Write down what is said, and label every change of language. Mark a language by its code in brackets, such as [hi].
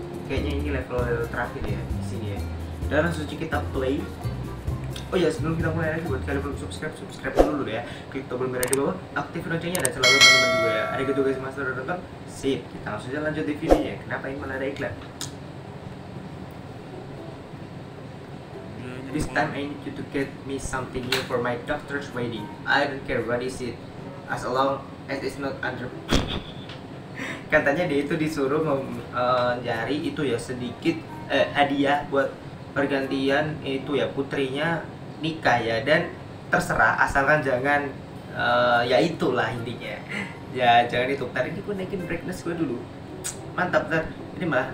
[id] Kayaknya ini level terakhir ya di sini ya. Dan langsung aja kita play. Oh ya, sebelum kita mulai lagi, buat kalian belum subscribe, subscribe dulu ya. Klik tombol merah di bawah, aktif loncengnya, dan selalu teman-teman juga ya. Ada gitu guys, master udah nonton? Sip, kita langsung aja lanjut di videonya. Kenapa ini malah ada iklan? [en] This time I need you to get me something new for my doctor's wedding. I don't care what is it, as long as it's not under. [id] Katanya dia itu disuruh mencari itu ya sedikit hadiah buat pergantian itu ya putrinya nikah ya, dan terserah asalkan jangan ya itulah intinya. Ya jangan itu. Ntar ini gue naikin brightness gue dulu. Mantap ntar. Ini malah.